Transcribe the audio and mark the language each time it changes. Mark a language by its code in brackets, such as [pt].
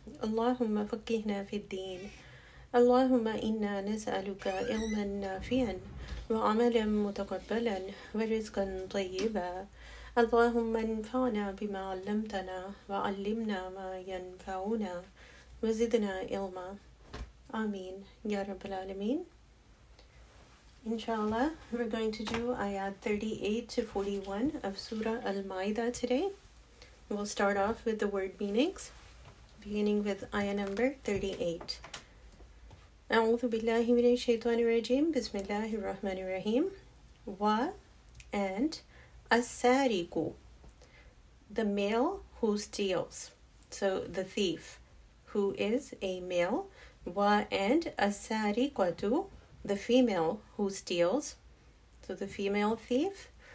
[ar] اللهم فقهنا في الدين. اللهم إنا نسألك علما نافعا وعملا متقبلا ورزقا طيبا. اللهم انفعنا بما علمتنا وعلمنا ما ينفعنا وزدنا علما. آمين يا رب العالمين. [en] Inshallah, we're going to do ayat 38 to 41 of Surah Al-Ma'idah today. We'll start off with the word meanings, beginning with ayah number 38. [ar] أعوذ بالله من الشيطان الرجيم. بسم الله الرحمن الرحيم. [en] و and السارق, the male who steals, so the thief, who is a male. و and السارقة, the female who steals, so the female thief.